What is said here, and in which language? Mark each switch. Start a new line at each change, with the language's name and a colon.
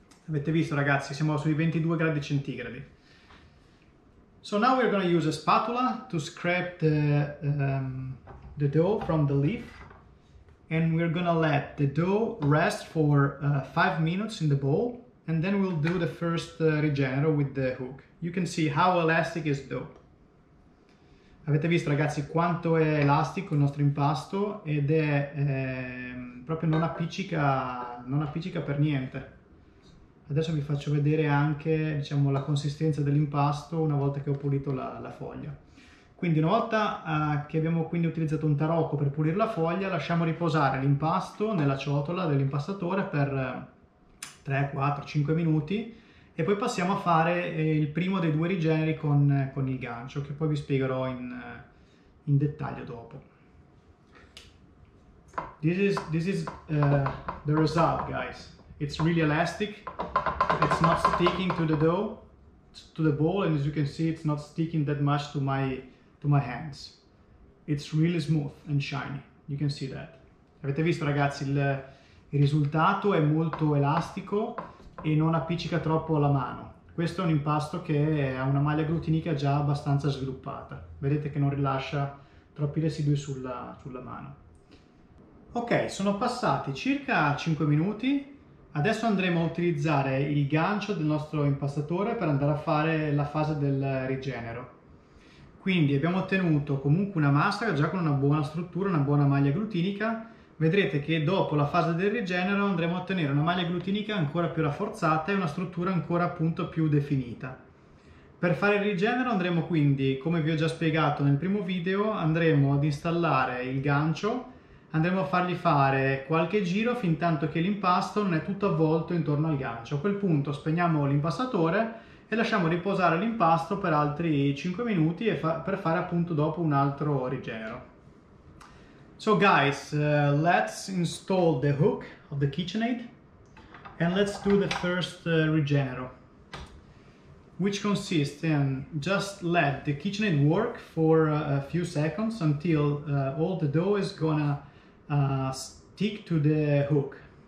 Italian: Avete visto, ragazzi, siamo sui 22 gradi centigradi.
English: So now we're going to use a spatula to scrape the dough from the leaf, and we're going to let the dough rest for 5 minutes in the bowl, and then we'll do the first rigenero with the hook. You can see how elastic is dough.
Italian: Avete visto, ragazzi, quanto è elastico il nostro impasto ed è proprio non appiccica per niente. Adesso vi faccio vedere anche, diciamo, la consistenza dell'impasto una volta che ho pulito la foglia. Quindi, una volta che abbiamo quindi utilizzato un tarocco per pulire la foglia, lasciamo riposare l'impasto nella ciotola dell'impastatore per 3, 4, 5 minuti. E poi passiamo a fare il primo dei due rigeneri con il gancio, che poi vi spiegherò in dettaglio dopo.
English: This is the result, guys. It's really elastic. It's not sticking to the dough, to the ball, and as you can see, it's not sticking that much to my hands. It's really smooth and shiny. You can see that.
Italian: Avete visto, ragazzi, il risultato è molto elastico. E non appiccica troppo la mano. Questo è un impasto che ha una maglia glutinica già abbastanza sviluppata. Vedete che non rilascia troppi residui sulla mano. Ok, sono passati circa 5 minuti. Adesso andremo a utilizzare il gancio del nostro impastatore per andare a fare la fase del rigenero. Quindi abbiamo ottenuto comunque una mastra già con una buona struttura, una buona maglia glutinica. Vedrete che dopo la fase del rigenero andremo a ottenere una maglia glutinica ancora più rafforzata e una struttura ancora appunto più definita. Per fare il rigenero andremo quindi, come vi ho già spiegato nel primo video, andremo ad installare il gancio, andremo a fargli fare qualche giro fin tanto che l'impasto non è tutto avvolto intorno al gancio. A quel punto spegniamo l'impastatore e lasciamo riposare l'impasto per altri 5 minuti per fare appunto dopo un altro rigenero.
English: So guys, let's install the hook of the KitchenAid and let's do the first rigenero, which consists in just let the KitchenAid work for a few seconds until all the dough is gonna stick to the hook.